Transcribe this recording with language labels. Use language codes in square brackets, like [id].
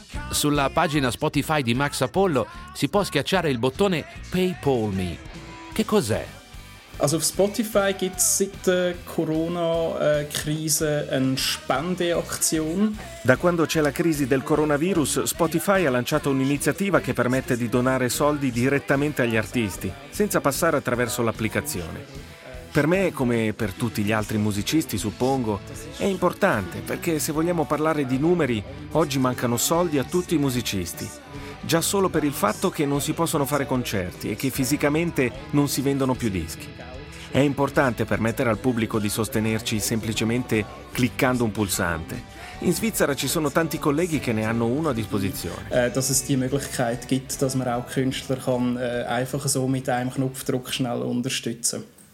[it] Sulla pagina Spotify di Max Apollo si può schiacciare il bottone PayPal Me. Che cos'è? [de] Also auf Spotify gibt es seit der Corona-Krise eine Spendeaktion. [it] Da quando c'è la crisi del coronavirus, Spotify ha lanciato un'iniziativa che permette di donare soldi direttamente agli artisti, senza passare attraverso l'applicazione. Per me, come per tutti gli altri musicisti, suppongo, è importante, perché se vogliamo parlare di numeri, oggi mancano soldi a tutti i musicisti. Già solo per il fatto che non si possono fare concerti e che fisicamente non si vendono più dischi. È importante permettere al pubblico di sostenerci semplicemente cliccando un pulsante. In Svizzera ci sono tanti colleghi che ne hanno uno a disposizione. [de] Dass es die Möglichkeit gibt, dass man auch Künstler kann, einfach so mit einem Knopfdruck schnell unterstützen.